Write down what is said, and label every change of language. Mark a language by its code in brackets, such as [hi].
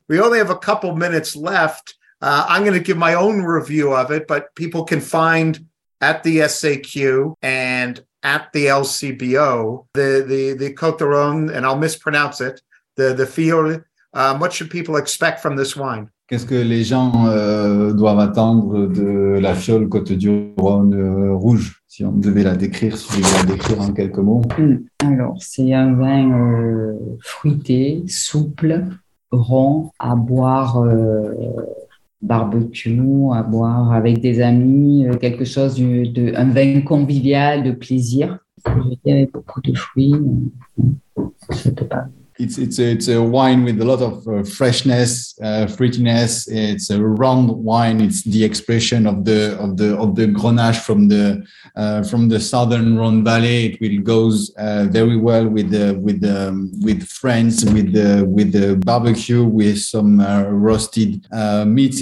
[en] We only have a couple minutes left. I'm going to give my own review of it, but people can find at the SAQ and at the LCBO, the Côte de Rhône, and I'll mispronounce it, the Fiore. What should people expect from this wine? [fr] Qu'est-ce que les gens doivent attendre de la Fiole Côte du Rhône rouge, si on devait la décrire, si je la décrire en quelques mots? Alors, c'est un vin fruité, souple, rond, à boire barbecue, à boire avec des amis, quelque chose un vin convivial, de plaisir. Je dirais avec beaucoup de fruits, c'était pas. [en] It's a wine with a lot of freshness, fruitiness. It's a round wine. It's the expression of the Grenache from the Southern Rhone Valley. It will goes very well with friends, with the barbecue, with some roasted meats.